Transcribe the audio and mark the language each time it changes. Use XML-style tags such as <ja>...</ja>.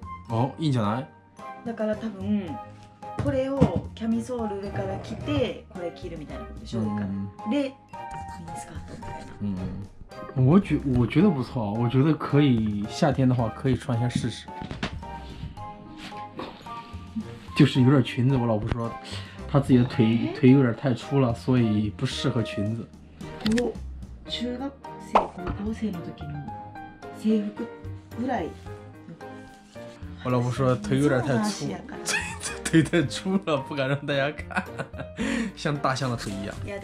<ja>お、いいんじゃない、だから多分これをキャミソール上から着てこれ着るみたいなことでしょ、上からでミニスカートみたいな、</ja> <zh>うん、我觉得不错、我觉得可以、夏天的话可以穿一下试试就是有点裙子、我老婆说她自己的 腿有点太粗了、所以不适合裙子、</zh> <ja>お、中学生、高校生の時の制服ぐらい、</ja> <zh>我老婆说腿有点太粗，腿太粗了，不敢让大家看，像大象的腿一样。</zh>